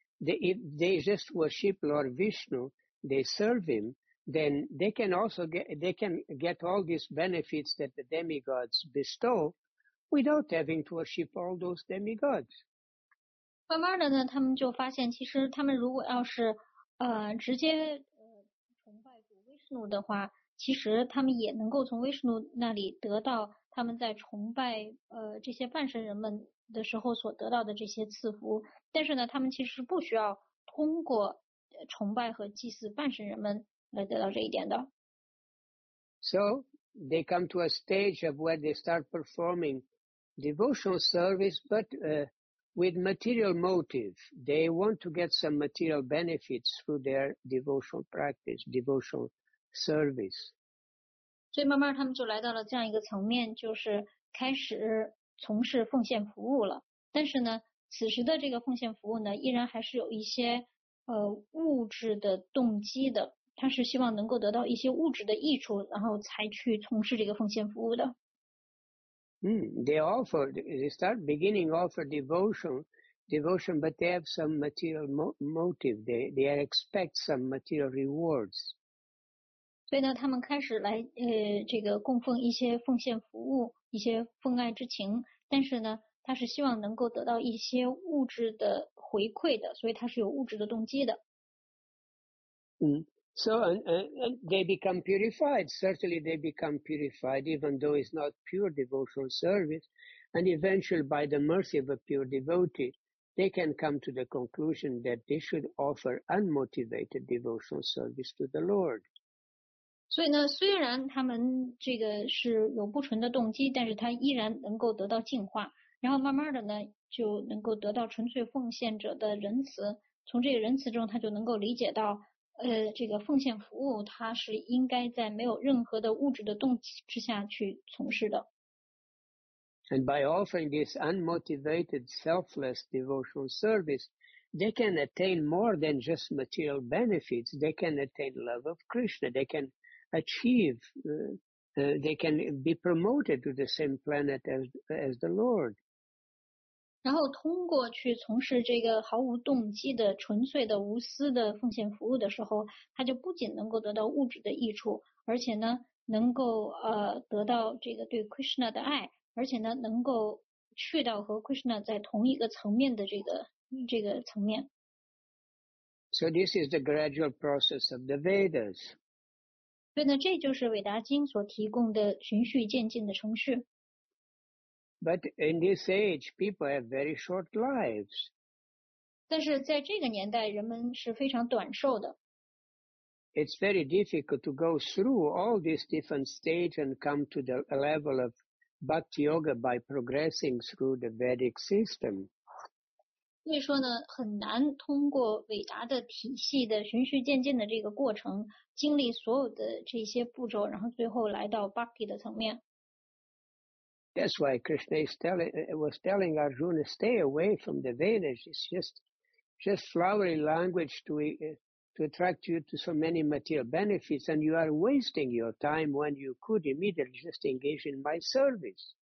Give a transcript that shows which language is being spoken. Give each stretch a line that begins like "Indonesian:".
English: They just worship Lord Vishnu, they serve him, then they can also get all these benefits that the demigods bestow without having to worship all those demigods.
Chinese: 慢慢的呢，他们就发现，其实他们如果要是直接崇拜主 Vishnu 的话，其实他们也能够从 Vishnu 那里得到他们在崇拜这些半神人们的时候所得到的这些赐福，但是呢，他们其实不需要通过崇拜和祭祀半神人们来得到这一点的。
English: So they come to a stage of where they start performing devotional service, but with material motive. They want to get some material benefits through their devotional practice, devotional service.
Chinese: 所以慢慢他们就来到了这样一个层面，就是开始从事奉献服务了。但是呢，此时的这个奉献服务呢，依然还是有一些物质的动机的。他是希望能够得到一些物质的益处，然后才去从事这个奉献服务的。
English: They offer, they start beginning offer devotion, but they have some material motive. They expect some material rewards.
Chinese: 所以呢，他们开始来这个供奉一些奉献服务，一些奉爱之情。但是呢，他是希望能够得到一些物质的回馈的，所以他是有物质的动机的。
English: So and they become purified. Certainly they become purified, even though it's not pure devotional service. And eventually, by the mercy of a pure devotee, they can come to the conclusion that they should offer unmotivated devotional service to the Lord.
Chinese: 所以呢，虽然他们这个是有不纯的动机，但是他依然能够得到净化，然后慢慢的呢，就能够得到纯粹奉献者的仁慈。从这个仁慈中，他就能够理解到。这个奉献服务它是应该在没有任何的物质的动机之下去从事的。
English: And by offering this unmotivated, selfless devotional service, they can attain more than just material benefits. They can attain love of Krishna. They can achieve, they can be promoted to the same planet as the Lord.
Chinese: 然后通过去从事这个毫无动机的纯粹的无私的奉献服务的时候，他就不仅能够得到物质的益处，而且呢能够得到这个对 Krishna 的爱，而且呢能够去到和 Krishna 在同一个层面的这个层面。
English: So this is the gradual process of the Vedas.
Chinese: 所以呢，这就是韦达经所提供的循序渐进的程序。
English: But in this age, people have very short lives.
Chinese: 但是在这个年代，人们是非常短寿的。
English: It's very difficult to go through all these different stages and come to the level of Bhakti Yoga by progressing through the Vedic system.
Chinese: 所以说呢，很难通过韦达的体系的循序渐进的这个过程，经历所有的这些步骤，然后最后来到 Bhakti 的层面。
English: That's why Krishna was telling Arjuna, stay away from the Vedas. It's just flowery language to attract you to so many material benefits, and you are wasting your time when you could immediately just engage in my service.